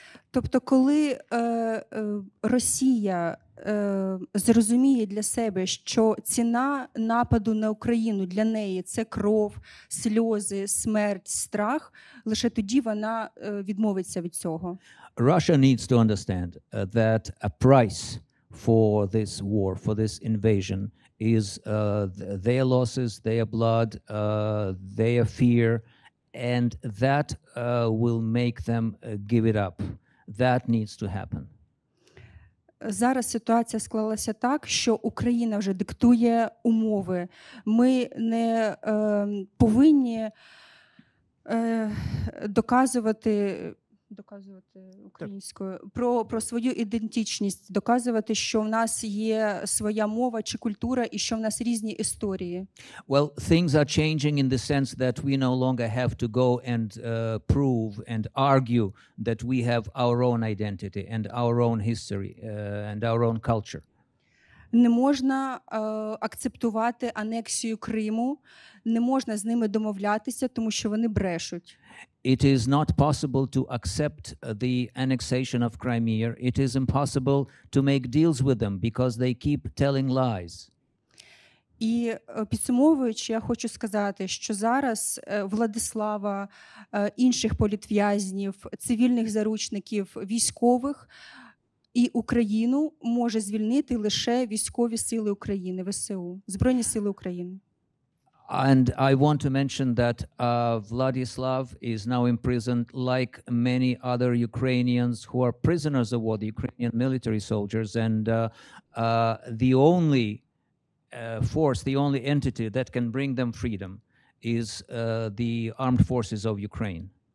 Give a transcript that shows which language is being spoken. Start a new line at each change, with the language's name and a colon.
Ukrainian: Тобто коли Росія зрозуміє для себе, що ціна нападу на Україну для неї це кров, сльози, смерть, страх, лише тоді вона відмовиться від цього.
English: Russia needs to understand that a price for this war, for this invasion is their losses, their blood, their fear, and that will make them give it up. That needs to happen.
Ukrainian: Зараз ситуація склалася так, що Україна вже диктує умови. Ми не повинні доказувати українською про свою ідентичність, доказувати, що в нас є своя мова чи культура і що в нас різні історії.
English: Well, things are changing in the sense that we no longer have to go and prove and argue that we have our own identity and our own history and our own culture.
Ukrainian: Не можна акцептувати анексію Криму, не можна з ними домовлятися, тому що вони брешуть.
English: It is not possible to accept the annexation of Crimea. It is impossible to make deals with them because they keep telling lies.
Ukrainian: І підсумовуючи, я хочу сказати, що зараз Владислава, інших політв'язнів, цивільних заручників, військових і Україну може звільнити лише військові сили України, ВСУ, Збройні сили України.
English: And I want to mention that Vladyslav is now imprisoned like many other Ukrainians who are prisoners of war, the Ukrainian military soldiers, and the only force, the only entity that can bring them freedom is the armed forces of Ukraine.